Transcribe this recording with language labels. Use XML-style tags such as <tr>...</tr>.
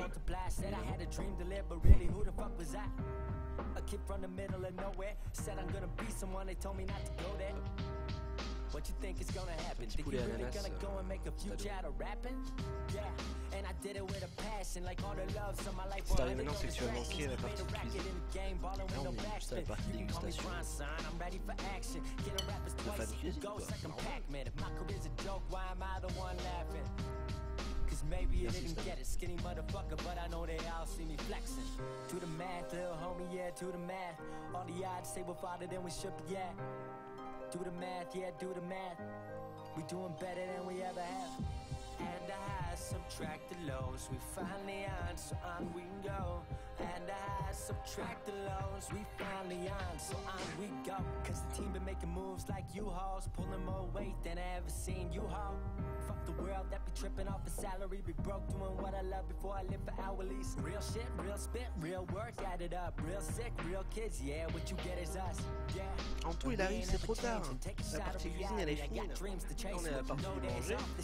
<en>Multiply, said I had a dream to live, but really who the fuck was I? A kid from the middle of nowhere, said I'm gonna be someone, they told me not to go there. What you think is gonna happen? Think you really ananas, gonna go and make a future out of rapping? Yeah. And I did it with a passion, like all the loves of my life.</en> <fr>Si t'arrives maintenant, c'est que tu vas manquer la partie de cuisine. Et là, on est juste à la partie de dégustation.</fr> <en>I'm ready for action. Get a rapper's twice. My career's a joke, why am I the one laughing? Cause maybe you didn't get it, skinny motherfucker, but I know they all see me flexing. To the math, little homie, yeah, to the math. All the odds say we're farther than we should be, yeah. Do the math, yeah, do the math. We doing better than we ever have. Add the highs, subtract the lows, we find the answer, on we go. Add the highs, subtract the lows, we find the answer, on we go. Cause the team been making moves like U-Hauls, pulling more weight than I ever seen U-Haul. Fuck the world, that be tripping off a salary. Be broke doing what I love before I live for hourlies. Real shit, real spit, real work added up. Real sick, real kids, yeah, what you get is us. Yeah.</en> <fr>En tout, il arrive, c'est trop tard. La partie cuisine, elle est fine. On est à la partie de manger.</fr>